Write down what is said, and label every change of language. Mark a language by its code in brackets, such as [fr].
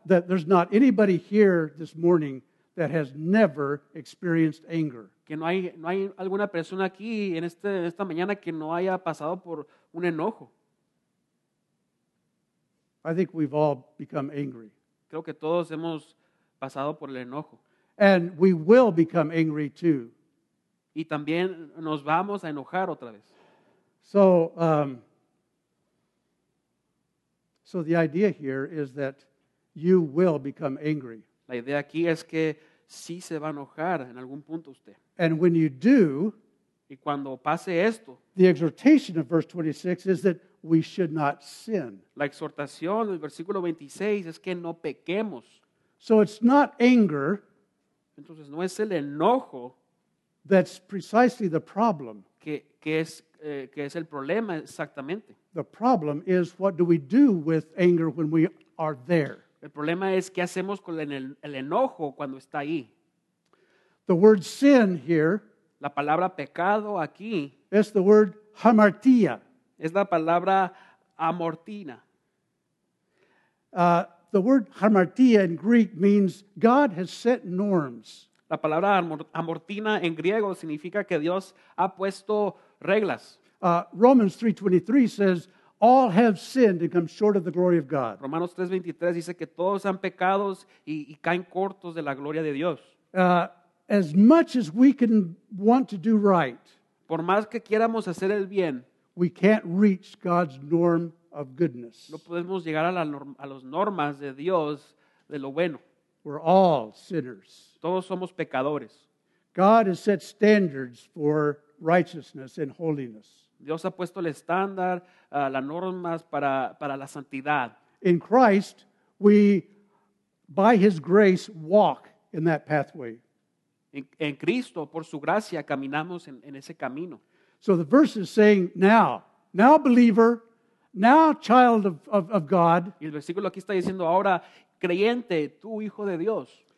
[en] That there's not anybody here this morning that has never experienced anger. [es] Que no hay alguna persona aquí en esta mañana que no haya pasado por un enojo. [en] I think we've all become angry. [es] Creo que todos hemos pasado por el enojo. [en] And we will become angry too. [es] Y también nos vamos a enojar otra vez. [en] So the idea here is that you will become angry. [es] La idea aquí es que sí se va a enojar en algún punto usted. [en] And when you do, [es] y cuando pase esto, [en] the exhortation of verse 26 is that we should not sin. [es] La exhortación del versículo 26 es que no pequemos. [en] So it's not anger. [es] Entonces no es el enojo. [en] That's precisely the problem. [es] Que es el problema exactamente. [en] The problem is what do we do with anger when we are there. [es] El problema es qué hacemos con el enojo cuando está ahí. [en] The word sin here. [es] La palabra pecado aquí. Es [en] the word hamartia. [es] Es la palabra amortina. [en] The word hamartia in Greek means God has set norms. [es] La palabra amortina en griego significa que Dios ha puesto reglas. [en] Romans 3:23 says, all have sinned and come short of the glory of God. [es] Romanos 3:23 dice que todos han pecado y caen cortos de la gloria de Dios. [en] As much as we can want to do right, [es] por más que quieramos hacer el bien, [en] we can't reach God's norm of goodness. [es] No podemos llegar a las normas de Dios de lo bueno. [en] We're all sinners. [es] Todos somos pecadores. [en] God has set standards for righteousness and holiness. [es] Dios ha puesto el estándar, las normas para la santidad. [en] In Christ, we, by His grace, walk in that pathway. [es] En Cristo, por su gracia, caminamos en ese camino. [en] So the verse is saying, now believer, now child of God. [es] Y el versículo aquí está diciendo ahora, creyente, tú hijo de Dios.